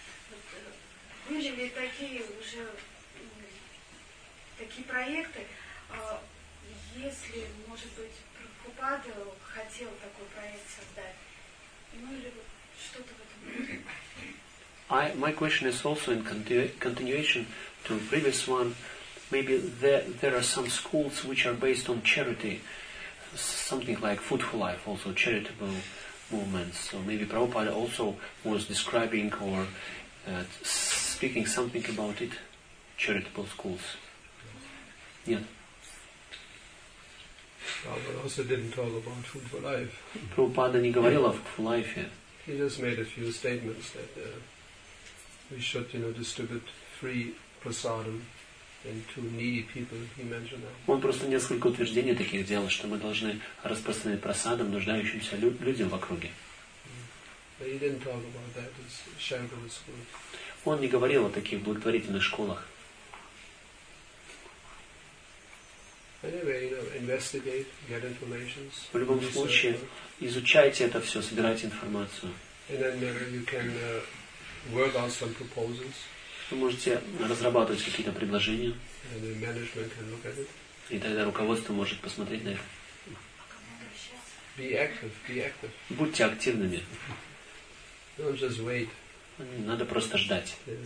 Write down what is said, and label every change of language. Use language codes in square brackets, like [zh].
[ru] Вот, были ли такие уже... Такие проекты, если, может быть, Прабхупада хотел такой проект создать, ну или что-то в этом. [en] My question is also in continuation to the previous one. Maybe there are some schools which are based on charity, something like Food for Life, also charitable movements. So maybe Prabhupada also was describing or speaking something about it, charitable schools. [ru] Нет. [en] But also didn't talk about Food for Life. [ru] Прабхупада не говорил о Food for Life. [en] He just made a few statements that we should, you know, distribute free prasadam and to needy people. He mentioned that. [ru] Он просто несколько утверждений таких делал, что мы должны распространять прасадам нуждающимся людям в округе. [en] But he didn't talk about that as Shankara school. [ru] Он не говорил о таких благотворительных школах. [en] Anyway, you know, investigate, get information. [ru] В любом случае, изучайте это все, собирайте информацию. [en] And then you can work out some proposals. [ru] Вы можете разрабатывать какие-то предложения. [en] And then management can look at it. [ru] И тогда руководство может посмотреть на их. [en] Be active. [ru] Будьте активными. [en] Don't just wait. [ru] Надо просто ждать.